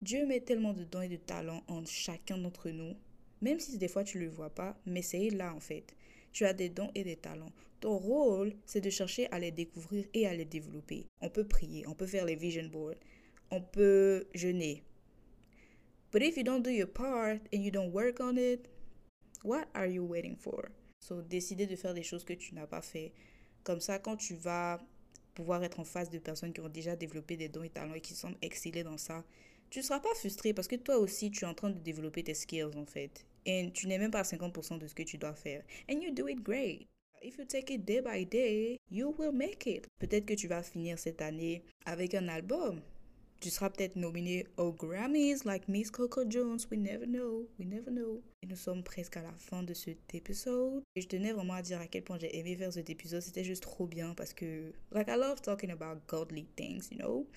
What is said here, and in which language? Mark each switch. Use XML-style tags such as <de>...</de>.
<fr>Dieu met tellement de dons et de talents en chacun d'entre nous, même si des fois tu ne le vois pas, mais c'est là en fait. Tu as des dons et des talents. Ton rôle, c'est de chercher à les découvrir et à les développer. On peut prier, on peut faire les vision boards, on peut jeûner.</fr> <en>But if you don't do your part and you don't work on it, what are you waiting for?</en> <fr>So, décider de faire des choses que tu n'as pas fait. Comme ça, quand tu vas pouvoir être en face de personnes qui ont déjà développé des dons et talents et qui semblent exceller dans ça, tu ne seras pas frustré parce que toi aussi, tu es en train de développer tes skills en fait. Et tu n'es même pas à 50% de ce que tu dois faire.</fr> <en>And you do it great. If you take it day by day, you will make it.</en> <fr>Peut-être que tu vas finir cette année avec un album. Tu seras peut-être nominé aux Grammys,</fr> <en>like Miss Coco Jones. We never know.</en> <fr>We never know. Et nous sommes presque à la fin de cet épisode. Et je tenais vraiment à dire à quel point j'ai aimé faire cet épisode. C'était juste trop bien parce que, like,</fr> <en>I love talking about godly things, you know?</en>